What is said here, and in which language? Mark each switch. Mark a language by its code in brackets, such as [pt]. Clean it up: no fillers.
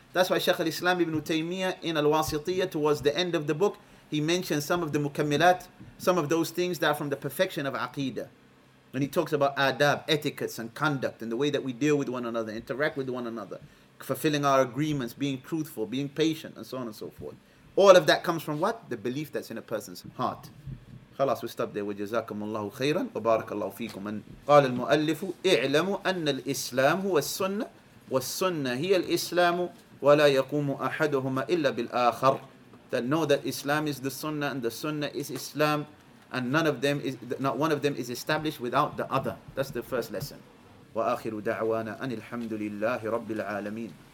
[en] That's why Shaykh al-Islam ibn Taymiyyah in Al-Wasitiyah, towards the end of the book, he mentions some of the mukammilat, some of those things that are from the perfection of aqeedah. When he talks about adab, etiquettes and conduct, and the way that we deal with one another, interact with one another, fulfilling our agreements, being truthful, being patient, and so on and so forth. All of that comes from what? The belief that's in a person's heart. [ar] خلاص وستوب ده وجزاكم الله خيرا وبارك الله فيكم. قال المؤلف اعلموا أن الإسلام هو السنة والسنة هي الإسلام ولا يقوم أحدهما إلا بالآخر. [en] That know that Islam is the Sunnah and the Sunnah is Islam, and not one of them is established without the other. That's the first lesson. [ar] وآخر دعوانا أن الحمد لله رب العالمين.